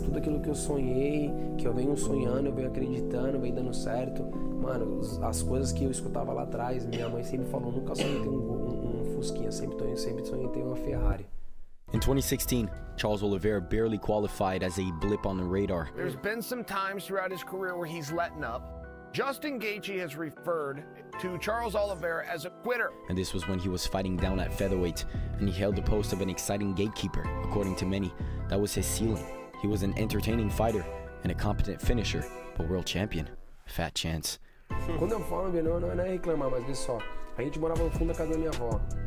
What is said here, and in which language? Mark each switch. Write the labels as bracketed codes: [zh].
[pt] Tudo aquilo que eu sonhei, que eu venho sonhando, eu venho acreditando, vem dando certo. Mano, as coisas que eu escutava lá atrás, minha mãe sempre falou, nunca sonhei ter um Fusquinha, sempre sonhei ter uma Ferrari. [en] In 2016, Charles Oliveira barely qualified as a blip on the radar. There's been some times throughout his career where he's letting up. Justin Gaethje has referred to Charles Oliveira as a quitter. And this was when he was fighting down at featherweight, and he held the post of an exciting gatekeeper. According to many, that was his ceiling. He was an entertaining fighter and a competent finisher, but world champion. Fat chance. [pt] Quando eu falo, meu, não é nem reclamar, mas vê só. A gente morava no fundo da casa da minha avó.